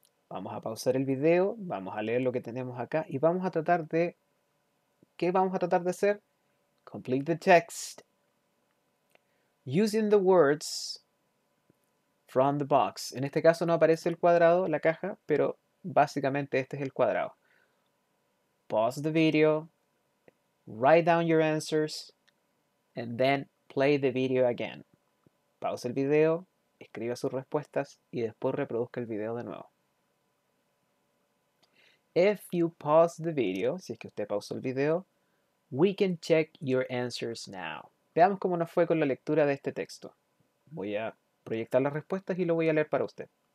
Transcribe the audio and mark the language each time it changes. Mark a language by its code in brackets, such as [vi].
[es] Vamos a pausar el video, vamos a leer lo que tenemos acá y vamos a tratar de... ¿Qué vamos a tratar de hacer? [en] Complete the text using the words from the box. [es] En este caso no aparece el cuadrado, la caja, pero básicamente este es el cuadrado. [en] Pause the video, write down your answers, and then play the video again. [es] Pause el video, escriba sus respuestas, y después reproduzca el video de nuevo. [en] If you pause the video, [es] si es que usted pausó el video, [en] we can check your answers now. [es] Veamos cómo nos fue con la lectura de este texto. Voy a proyectar las respuestas y lo voy a leer para usted.